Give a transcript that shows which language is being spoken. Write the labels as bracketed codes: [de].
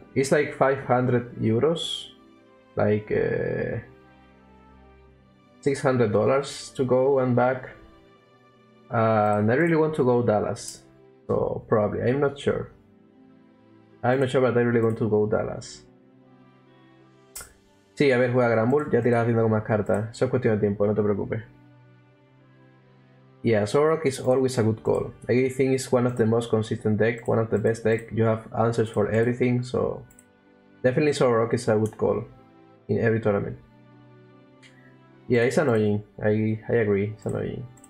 [en] It's like 500 euros, like $600 to go and back. And I really want to go Dallas. So probably, I'm not sure, but I really want to go Dallas. [es] Sí, a ver, juega Grand Bull, ya tiras haciendo con más cartas. Eso es cuestión de tiempo, no te preocupes. [en] Yeah, Zoroark is always a good call. I think it's one of the most consistent deck, one of the best deck. You have answers for everything, so Definitely Solar Rock is a good call in every tournament. Yeah, it's annoying. I agree, it's annoying.